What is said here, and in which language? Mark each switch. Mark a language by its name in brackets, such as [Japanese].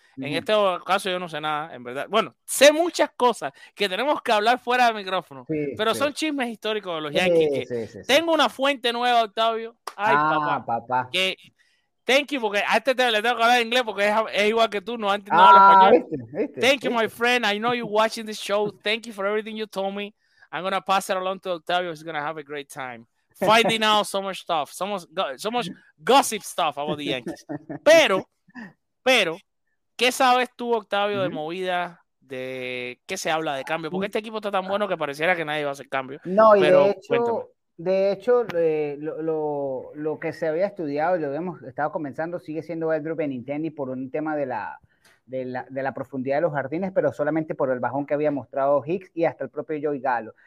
[Spanish] En este caso yo no sé nada, en verdad. Bueno, sé muchas cosas que tenemos que hablar fuera del micrófono, pero son chismes históricos de los Yankees. Tengo una fuente nueva, Octavio. Ay, papá. Que [English] Thank you, [Spanish] porque a este te le tengo que hablar en inglés porque es igual que tú, no habla español. [English] Thank you, my friend. I know you're watching this show. Thank you for everything you told me. I'm going to pass it along to Octavio. He's going to have a great time. Finding out so much stuff. So much gossip stuff about the Yankees. [Spanish] Pero, ¿qué sabes tú, Octavio, de movida? ¿De qué se habla de cambio? Porque este equipo está tan bueno que pareciera que nadie va a hacer cambio. No, pero, y de hecho lo que se había estudiado y lo hemos estado comenzando sigue siendo el grupo de Nintendo por un tema de la profundidad de los jardines, pero solamente por el bajón que había mostrado Hicks y hasta el propio Joey Gallo.